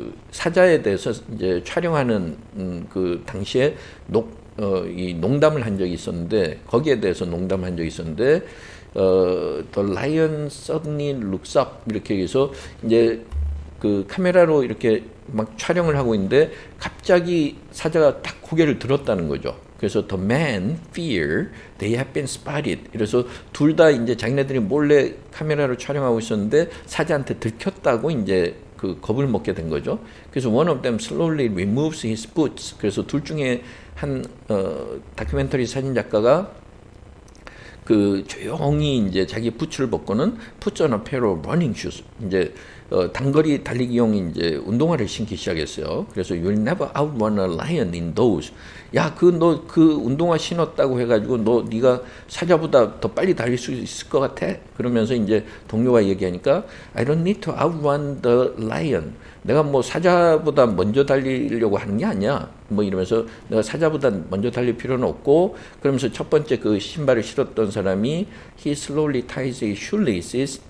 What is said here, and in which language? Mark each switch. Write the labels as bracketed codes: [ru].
[ko] 사자에 대해서 이제 촬영하는 그 당시에 이 농담을 한 적이 있었는데 거기에 대해서 농담한 적이 있었는데 [en] the lion suddenly looks up [ko] 이렇게 해서 이제 그 카메라로 이렇게 막 촬영을 하고 있는데 갑자기 사자가 딱 고개를 들었다는 거죠. 그래서 [en] the man fear they have been spotted. [ko] 그래서 둘 다 이제 자기네들이 몰래 카메라로 촬영하고 있었는데 사자한테 들켰다고 이제 그 겁을 먹게 된 거죠. 그래서 [en] one of them slowly removes his boots. [ko] 그래서 둘 중에 한 다큐멘터리 사진 작가가 그 조용히 이제 자기 부츠를 벗고는 [en] puts on a pair of running shoes. [ko] 이제 단거리 달리기용 이제 운동화를 신기 시작했어요. 그래서 [en] you'll never outrun a lion in those. [ko] 야, 너 운동화 신었다고 해가지고 너 네가 사자보다 더 빨리 달릴 수 있을 것 같아? 그러면서 이제 동료가 얘기하니까 [en] I don't need to outrun the lion. [ko] 내가 뭐 사자보다 먼저 달리려고 하는 게 아니야. 뭐 이러면서 내가 사자보다 먼저 달릴 필요는 없고 그러면서 첫 번째 그 신발을 신었던 사람이 [en] he slowly ties his shoelaces.